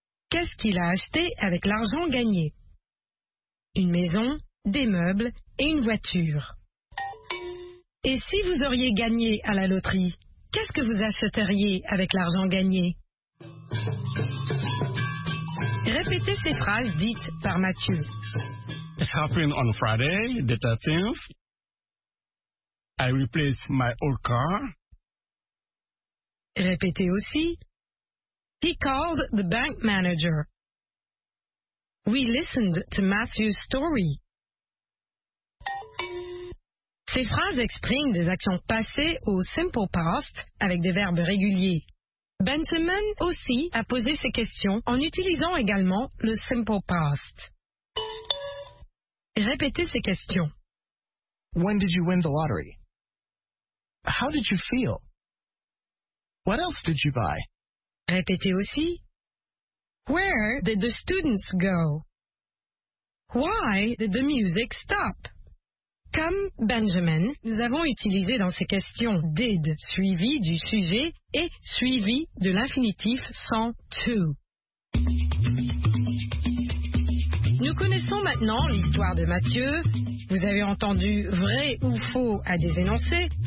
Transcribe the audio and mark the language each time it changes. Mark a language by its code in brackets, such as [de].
[fr] Qu'est-ce qu'il a acheté avec l'argent gagné? Une maison, des meubles et une voiture. Et si vous auriez gagné à la loterie, qu'est-ce que vous achèteriez avec l'argent gagné? Répétez ces phrases dites par Mathieu. [en] It happened on Friday, the 13th. I replaced my old car. [fr] Répétez aussi. [en] He called the bank manager. We listened to Matthew's story. [fr] Ces phrases expriment des actions passées au simple past avec des verbes réguliers. Benjamin aussi a posé ses questions en utilisant également le simple past. Répétez ces questions. [en] When did you win the lottery? How did you feel? What else did you buy? [fr] Répétez aussi. [en] Where did the students go? Why did the music stop? [fr] Comme Benjamin, nous avons utilisé dans ces questions « did » suivi du sujet et suivi de l'infinitif sans « to ». Nous connaissons maintenant l'histoire de Mathieu. Vous avez entendu « vrai » ou « faux » à des énoncés.